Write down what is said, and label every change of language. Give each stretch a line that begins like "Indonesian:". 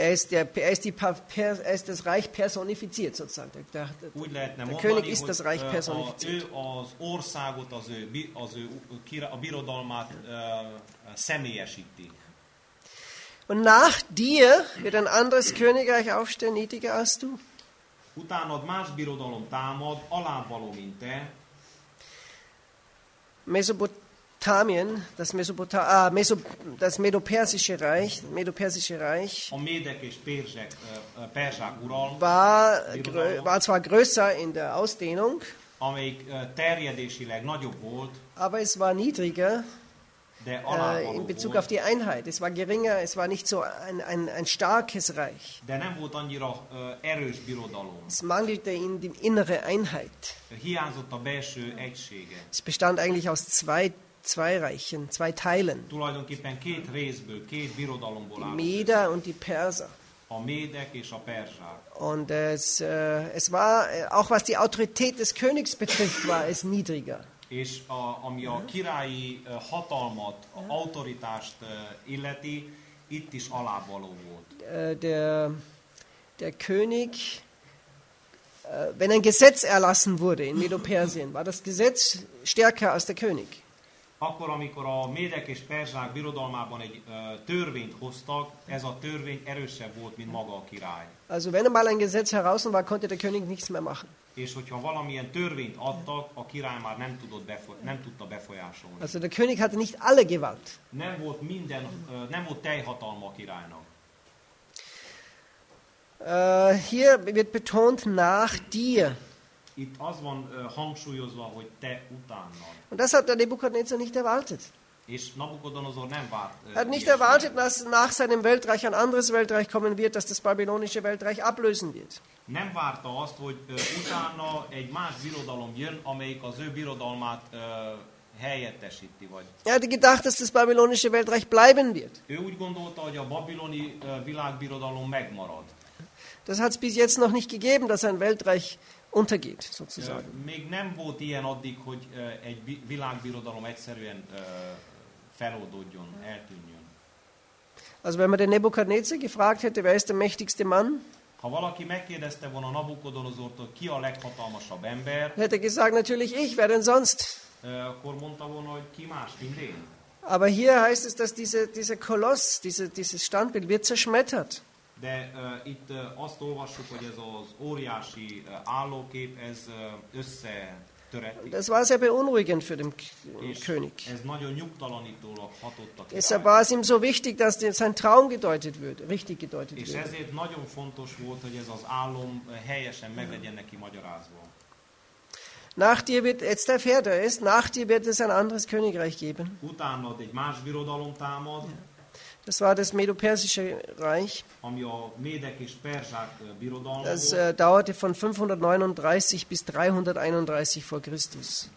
German: er ist das Reich personifiziert sozusagen. Der König ist das Reich personifiziert.
Hungarian: Az országot, az ő király, a birodalmát személyesíti.
German: Und nach dir wird ein anderes Königreich aufstehen, niedriger als du.
Hungarian: Utánad más birodalom támad, alávaló, mint te.
German: Mesopotamien, das medopersische Reich,
Hungarian: A Médek és Perzsek, Perzsák uralma.
German: War zwar größer in der Ausdehnung,
Hungarian: amelyik terjedésileg nagyobb volt,
German: aber es war niedriger,
Hungarian: de alávaló
German: in Bezug auf die Einheit. Es war geringer, es war nicht so ein starkes Reich.
Hungarian: De nem volt annyira erős birodalom.
German: Es mangelte in die innere Einheit.
Hungarian: Hiányzott a belső egysége.
German: Es bestand eigentlich aus zwei Reichen, zwei Teilen.
Hungarian: Tulajdonképpen két részből, két birodalomból állt.
German: Méda und die Perser.
Hungarian: A Médek és a Perzsák.
German: Und es war, auch was die Autorität des Königs betrifft, war es niedriger.
Hungarian: És ami a királyi hatalmat, autoritást illeti, itt is alávaló volt.
German: Der König, wenn ein Gesetz erlassen wurde in Medo-Persien, war das Gesetz stärker als der König.
Hungarian: Akkor, amikor a Médek és Perzsák birodalmában egy törvényt hoztak, ez a törvény erősebb volt, mint maga a király.
German: Also, wenn einmal ein Gesetz heraus war, konnte der König nichts mehr machen.
Hungarian: És hogyha valamilyen törvényt adtak, a király már nem tudta befolyásolni.
German: Also der König hatte nicht alle Gewalt.
Hungarian: Nem volt teljhatalma a királynak.
German: Hier wird betont nach dir.
Hungarian: Itt az van hangsúlyozva, hogy te utánad.
German: Und das hat der Nebukadnezar nicht erwartet.
Hungarian: És Nabukodonosor nem várt.
German: Hat nicht erwartet, dass nach seinem Weltreich ein anderes Weltreich kommen wird, dass das babylonische Weltreich ablösen wird.
Hungarian: Nem várta azt, hogy utána egy más birodalom jön, amelyik az ő birodalmát helyettesíti vagy.
German: Er hatte gedacht, dass das babylonische Weltreich bleiben wird.
Hungarian: Ő úgy gondolta, hogy a babiloni világbirodalom megmarad.
German: Das hat es bis jetzt noch nicht gegeben, dass ein Weltreich untergeht, sozusagen.
Hungarian: Még nem volt ilyen addig, hogy egy világbirodalom egyszerűen feloldódjon, eltűnjön.
German: Also wenn man den Nebukadnezar gefragt hätte, wer ist der mächtigste Mann?
Hungarian: Ha valaki megkérdezte volna Nabukodonozortól, ki a leghatalmasabb ember?
German: Hätte gesagt, natürlich ich, wer denn sonst?
Hungarian: Akkor mondta volna, hogy ki más, mint én.
German: Aber hier heißt es, dass dieser Koloss, dieses Standbild wird zerschmettert.
Hungarian: De itt azt olvassuk, hogy ez az óriási állókép, ez összetöreti.
German: Das war sehr beunruhigend für den König.
Hungarian: Ez nagyon nyugtalanítólag hatott a királyra.
German: Es war ihm so wichtig, dass sein Traum gedeutet wird, richtig gedeutet wird.
Hungarian: És ezért nagyon fontos volt, hogy ez az álom helyesen meglegyen neki magyarázva.
German: Nach dir wird, jetzt der Pferde ist, nach dir wird es ein anderes Königreich geben.
Hungarian: Utánad egy más birodalom támad.
German: Das war das Medo-Persische Reich.
Hungarian: Ami a Médek és Perzsák birodalma.
German: Das dauerte von 539 bis 331 vor Christus.